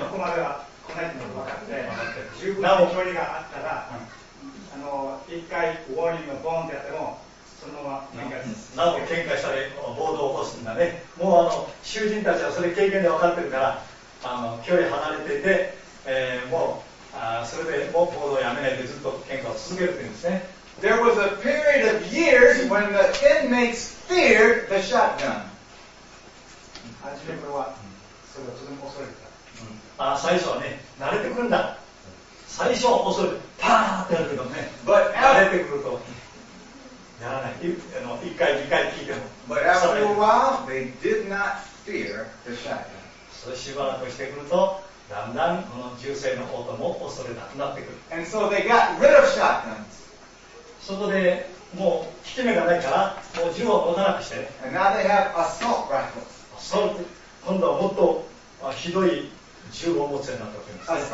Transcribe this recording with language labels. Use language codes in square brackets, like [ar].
[ja] ここまでは来ないのが分かって、十分な距離があったら、一回ウォーニングボーンってやっても。そのまま喧嘩です。なお喧嘩したり暴動を起こすんだね。もう囚人たちはそれ経験で分かってるから、距離離れていて、もうそれでもう暴動をやめないでずっと喧嘩を続けるって言うんですね。 [en] There was a period of years when the inmates feared the shotgun. [ja] 初めこれはそれをとても恐れてた、最初はね、慣れてくるんだ。最初は恐れてパーってやるけどね、 [en] But [ja] 慣れてくるとやらない。一回二回聞いても。 [en] But after a while, they did not fear the shotgun. [ja] そうしばらくしてくると、だんだんこの銃声の音も恐れなくなってくる。 [en] And so they got rid of shotguns. [ja] そこでもう効き目がないから、もう銃を持たなくして。 [en] And now they have assault rifles. Assault. [ja] 今度はもっとひどい銃を持つようになったわけです。